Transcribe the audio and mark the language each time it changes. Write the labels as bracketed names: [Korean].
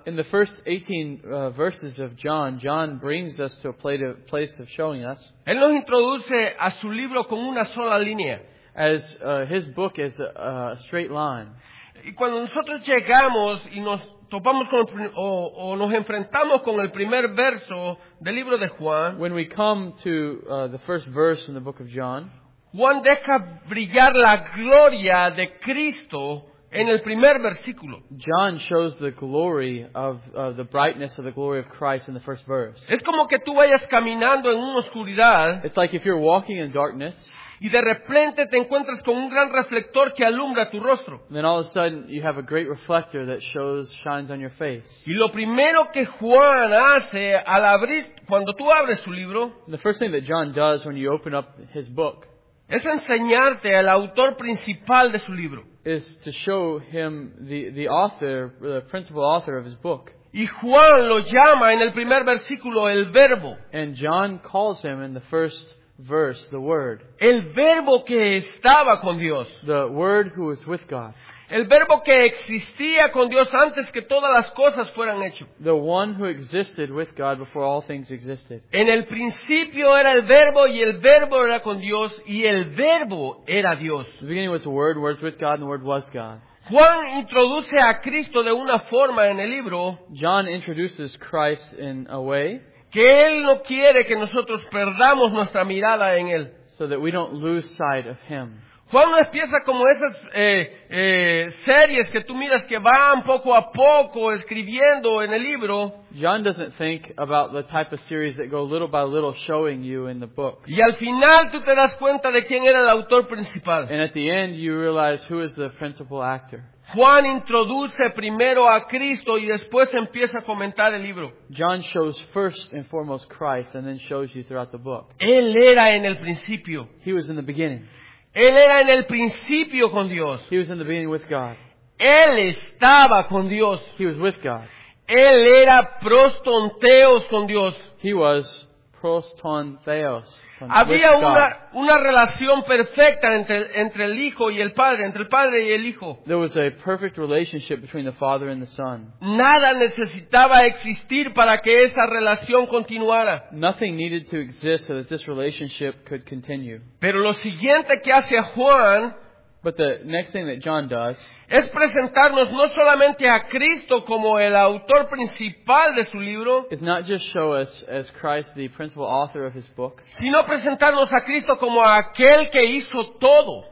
[English] In the first 18 verses of John, John brings us to a place of showing us. [Spanish] Él nos introduce a su libro con una sola línea. [English] As his book is a straight line. [Spanish] Y cuando nosotros llegamos y nos topamos con o nos enfrentamos con el primer verso del libro de Juan. [English] When we come to the first verse in the book of John. [Spanish] Juan deja brillar la gloria de Cristo en el primer versículo. [English] John shows the glory of the brightness of the glory of Christ in the first verse. [Spanish] Es como que tú vayas caminando en una oscuridad. [English] It's like if you're walking in darkness. [Spanish] Y de repente te encuentras con un gran reflector que alumbra tu rostro. [English] And then all of a sudden you have a great reflector that shines on your face. [Spanish] Y lo primero que Juan hace al abrir, cuando tú abres su libro. [English] The first thing that John does when you open up his book. [Spanish] Es enseñarte al autor principal de su libro. [English] Is to show him the author, the principal author of his book. [Spanish] Y Juan lo llama en el primer versículo el verbo. [English] And John calls him in the first verse the word. [Spanish] El verbo que estaba con Dios. [English] The word who was with God. [Spanish] El verbo que existía con Dios antes que todas las cosas fueran hechas. [English] The one who existed with God before all things existed. [Spanish] En el principio era el verbo y el verbo era con Dios y el verbo era Dios. [English] The beginning was the word, was with God, and the word was God. [Spanish] Juan introduce a Cristo de una forma en el libro. [English] John introduces Christ in a way. [Spanish] Que él no quiere que nosotros perdamos nuestra mirada en él. [English] So that we don't lose sight of him. [Spanish] Juan no empieza como esas series que tú miras que van poco a poco escribiendo en el libro. [English] John doesn't think about the type of series that go little by little showing you in the book. [Spanish] Y al final tú te das cuenta de quién era el autor principal. [English] And at the end you realize who is the principal actor. [Spanish] Juan introduce primero a Cristo y después empieza a comentar el libro. [English] John shows first and foremost Christ and then shows you throughout the book. [Spanish] Él era en el principio. [English] He was in the beginning. [Spanish] Él era en el principio con Dios. [English] He was in the beginning with God. [Spanish] Él estaba con Dios. [English] He was with God. [Spanish] Él era prostonteos con Dios. [English] He was prostonteos. [Spanish] Había una relación perfecta entre el hijo y el padre, entre el padre y el hijo. [English] There was a perfect relationship between the father and the son. [Spanish] Nada necesitaba existir para que esa relación continuara. [English] Nothing needed to exist so that this relationship could continue. [Spanish] Pero lo siguiente que hace Juan, [English] but the next thing that John does, [Spanish] es presentarnos no solamente a Cristo como el autor principal de su libro, [English] is not just show us as Christ the principal author of his book, [Spanish] sino presentarnos a Cristo como aquel que hizo todo,